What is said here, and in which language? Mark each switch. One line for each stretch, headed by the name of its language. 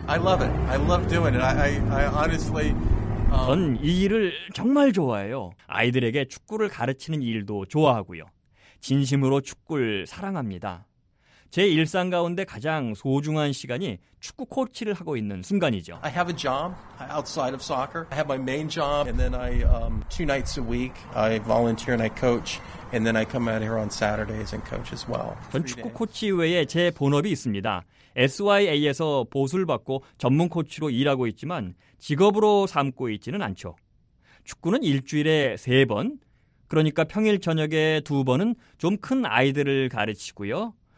English: I love it. I love doing it. I honestly
Korean: 전 이 일을 정말 좋아해요. 아이들에게 축구를 가르치는 일도 좋아하고요. 진심으로 축구를 사랑합니다. 제 일상 가운데 가장 소중한 시간이 축구 코치를 하고 있는 순간이죠.
English: I have a job outside of soccer. I have my main job and then I two nights a week I volunteer and I coach and then I come out here on Saturdays and coach as well.
Korean: 전 축구 코치 외에 제 본업이 있습니다. SYA에서 보수를 받고 전문 코치로 일하고 있지만 직업으로 삼고 있지는 않죠. 축구는 일주일에 세 번, 그러니까 평일 저녁에 두 번은 좀 큰 아이들을 가르치고요.